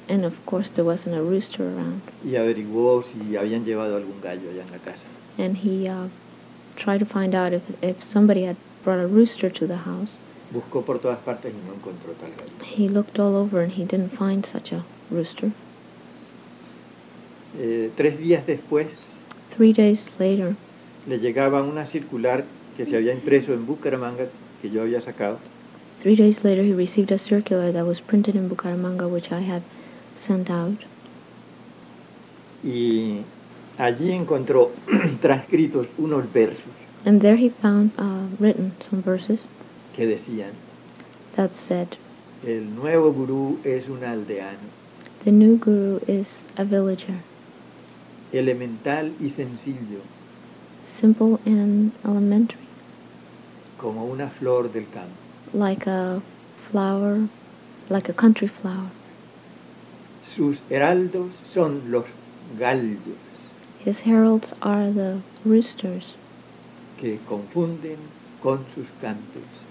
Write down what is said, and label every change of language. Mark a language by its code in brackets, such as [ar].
[en] And of course, there wasn't a rooster around. [es] Y averiguó si habían llevado algún gallo allá en la casa. [en] And he tried to find out if somebody had brought a rooster to the house. [es] Buscó por todas partes y no encontró tal gallo. [en] He looked all over and he didn't find such a rooster. [es] Tres días después, [en] three days later, [es] le llegaba una circular que se había impreso en Bucaramanga que yo había sacado. [en] Three days later, he received a circular that was printed in Bucaramanga, which I had sent out. [es] Y allí encontró transcritos unos versos. [en] And there he found written some verses. [es] Que decían. [en] That said. [es] El nuevo gurú es un aldeano. [en] The new guru is a villager. [es] Elemental y sencillo. [en] Simple and elementary. [es] Como una flor del campo. [en] Like a flower, like a country flower. [es] Sus heraldos son los gallos. [en] His heralds are the roosters. [es] Que confunden con sus cantos.